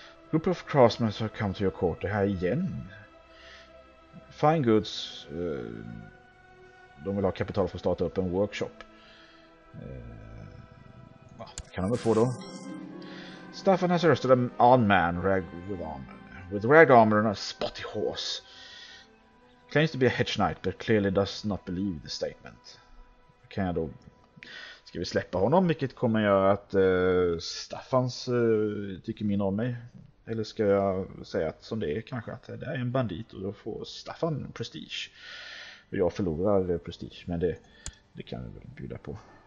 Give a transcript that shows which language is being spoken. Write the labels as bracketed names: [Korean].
[English] Group of craftsmen have come to your court. [Swedish] Det här igen. Fine goods. De vill ha kapital för att starta upp en workshop. Kan de få då? [English] Staffan has arrested an odd man with ragged armor and a spotty horse. Claims to be a hedge knight, but clearly does not believe the statement. [Swedish] Kan jag då? Ska vi släppa honom, vilket kommer göra att Staffans tycker mindre om mig? Eller ska jag säga att som det är kanske att det är en bandit och då får Staffan prestige. Och jag förlorar prestige, men det kan vi väl bjuda på.